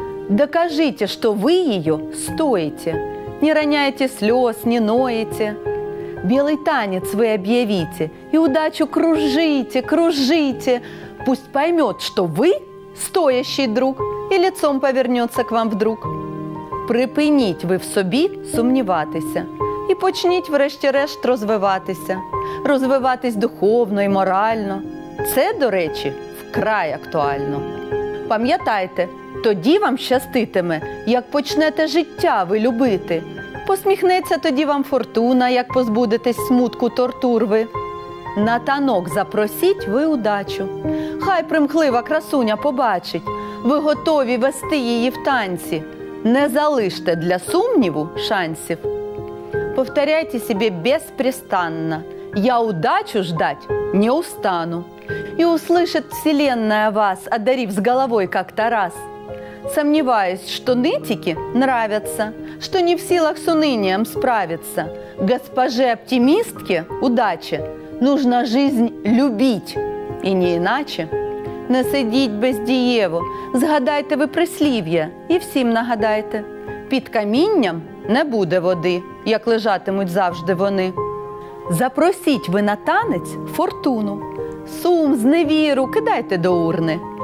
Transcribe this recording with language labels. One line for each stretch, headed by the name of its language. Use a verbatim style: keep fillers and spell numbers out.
Russian: Докажите, что вы ее стоите, не роняете слез, не ноете. Белый танец вы объявите и удачу кружите, кружите. Пусть поймет, что вы стоящий друг и лицом повернется к вам вдруг.
Ukrainian: Припиніть ви в собі сумніватися і почніть врешті-решт розвиватися. Розвиватись духовно і морально. Це, до речі, вкрай актуально. Пам'ятайте, тоді вам щаститиме, як почнете життя ви любити. Посміхнеться тоді вам фортуна, як позбудетесь смутку тортур ви. На танок запросіть ви удачу. Хай примхлива красуня побачить, ви готові вести її в танці. Не залиште для сумніву шансів.
Russian: Повторяйте себе беспрестанно: «Я удачу ждать не устану». И услышит Вселенная вас, одарив с головой как-то раз. Сомневаюсь, что нытики нравятся, что не в силах с унынием справиться. Госпоже-оптимистке удачи нужно жизнь любить, и не иначе.
Ukrainian: Не сидіть бездієво, згадайте ви прислів'я і всім нагадайте: під камінням не буде води, як лежатимуть завжди вони. Запросіть ви на танець фортуну, сум, зневіру кидайте до урни.